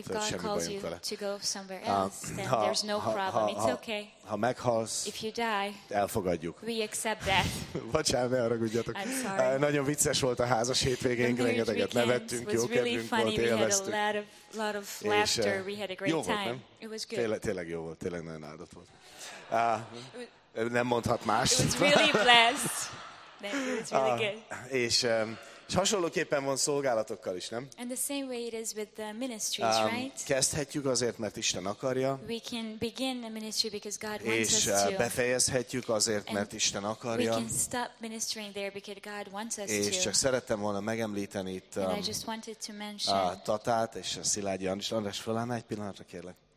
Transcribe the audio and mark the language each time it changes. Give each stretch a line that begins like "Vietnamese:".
English: If God calls you to go somewhere else, then there's no problem. It's okay.
Hungarian: Ha meghalsz,
English: if you die,
Hungarian: elfogadjuk.
English: We accept that.
Hungarian: Bocsánat, ne haragudjatok.
English: I'm sorry.
Hungarian: Nagyon vicces volt a házas hétvégénk, rengeteget nevettünk, jó kedvünk volt, élveztük.
English: We had a lot of laughter. We had a great
Hungarian: jó
English: time.
Hungarian: Volt, nem?
English: It was good.
Hungarian: Tényleg jó volt, tényleg nagyon áldott volt. Nem mondhat más.
English: It was really blessed. It was really good.
Hungarian: És és hasonlóképpen van szolgálatokkal is, nem?
English: And the same way it is with the ministries, right?
Hungarian: Kezdhetjük azért, mert Isten akarja.
English: We can begin the ministry because God wants us to.
Hungarian: És befejezhetjük azért, mert Isten akarja.
English: We can stop ministering there because God wants us to.
Hungarian: És csak szerettem volna megemlíteni itt a Tatát és a Szilágyi Andrist. András, fölállná egy pillanatra, kérlek.